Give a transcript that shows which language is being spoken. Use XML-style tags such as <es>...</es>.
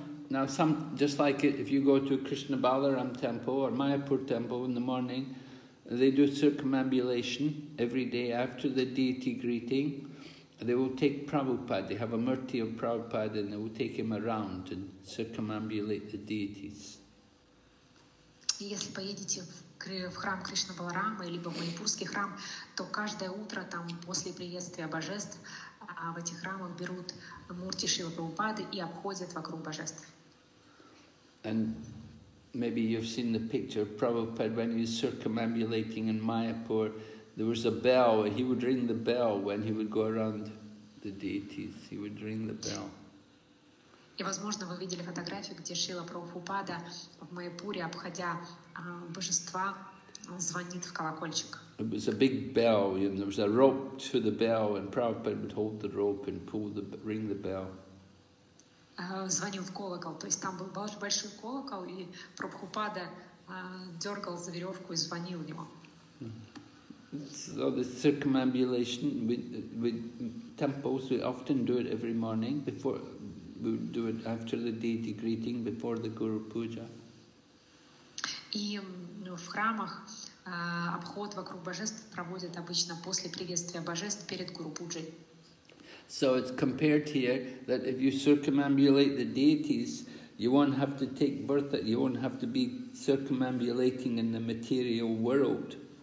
<en>Now, just like if you go to Krishna Balaram temple or Mayapur temple in the morning, they do circumambulation every day after the deity greeting. They will take Prabhupada, they have a murti of Prabhupada, and they will take him around and circumambulate the deities.</en> <ru>Если поедете в храм Кришна Баларама или в Майпурский храм, то каждое утро там после приветствия божеств в этих храмах берут мурти Шрила Прабхупады и обходят вокруг божеств.</ru> <en>And maybe you've seen the picture of Prabhupada when he was circumambulating in Mayapur. There was a bell. He would ring the bell when he would go around the deities. He would ring the bell.</en> <ru>И, возможно, вы видели фотографию, где Шрила Прабхупада в Майпуре, обходя божества, звонит в колокольчик.</ru> <en>It was a big bell, and there was a rope to the bell, and Prabhupada would hold the rope and ring the bell.</en> <ru>Звонил в колокол, то есть там был большой колокол, и Прабхупада дергал за веревку и звонил ему.</ru> <en>So the circumambulation with temples, we often do it every morning before we do it after the deity greeting before the Guru Puja.</en> <ru>И в храмах обход вокруг божеств проводят обычно после приветствия божеств перед Гуру Пуджей.</ru> <en>So it's compared here that if you circumambulate the deities, you won't have to take birth, you won't have to be circumambulating in the material world.</en>